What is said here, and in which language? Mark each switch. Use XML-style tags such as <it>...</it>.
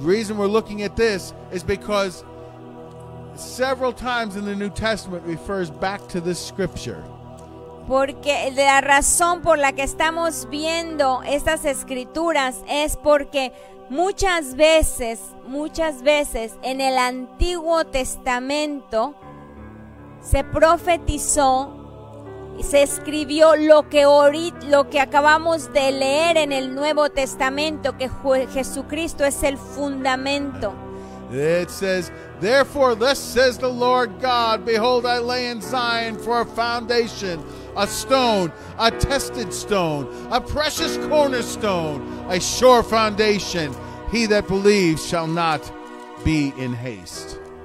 <en>The reason we're looking at this is because several times in the New Testament refers back to this scripture.</en> <es>Porque la razón por la que estamos viendo estas escrituras es porque muchas veces en el Antiguo Testamento se profetizó, se escribió lo que acabamos de leer en el Nuevo Testamento, que Jesucristo es el fundamento.</es> <en>It says, therefore, thus says the Lord God, behold, I lay in Zion for a foundation, a stone, a tested stone, a precious cornerstone, a sure foundation. He that believes shall not be in haste.</en>